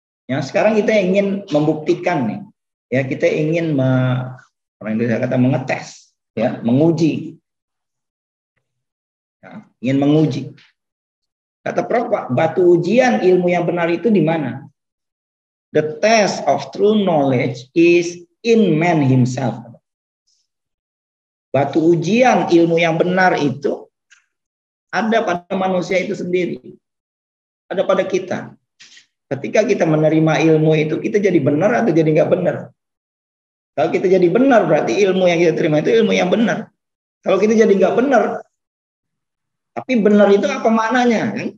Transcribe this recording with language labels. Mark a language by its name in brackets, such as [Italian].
[Indonesian] Ya, sekarang kita ingin membuktikan nih. Ya, kita ingin mengetes, ya, menguji. Ya, ingin menguji. Kata Prof., batu ujian ilmu yang benar itu di mana? [English] The test of true knowledge is in man himself. [Indonesian] Batu ujian ilmu yang benar itu ada pada manusia itu sendiri. Ada pada kita. Ketika kita menerima ilmu itu, kita jadi benar atau jadi enggak benar? Kalau kita jadi benar, berarti ilmu yang kita terima itu ilmu yang benar. Kalau kita jadi enggak benar, tapi benar itu apa maknanya?